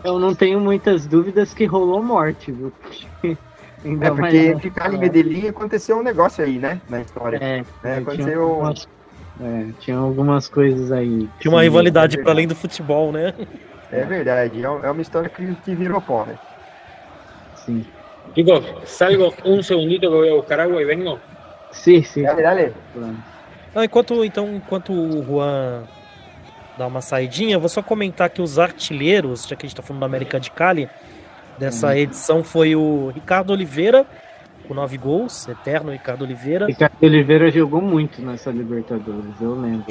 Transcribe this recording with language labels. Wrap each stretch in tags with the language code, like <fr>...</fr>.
<pt>Eu não tenho muitas dúvidas que rolou morte, viu? Ainda é porque mais... ficar em Medellín aconteceu um negócio aí, né? Na história. Aconteceu. Tinha algumas coisas aí. Tinha uma rivalidade para além do futebol, né? É verdade. É uma história que virou pó, né? Sim.</pt> <es>Chicos, salgo um segundito que voy a buscar agua y vengo.</es> <pt>Sim.</pt> <es>Dale.</es> <pt>Ah, enquanto o Juan dá uma saidinha, vou só comentar que os artilheiros, já que a gente tá falando da América de Cali, dessa edição foi o Ricardo Oliveira, com 9 gols, eterno Ricardo Oliveira. Ricardo Oliveira jogou muito nessa Libertadores, eu lembro.</pt>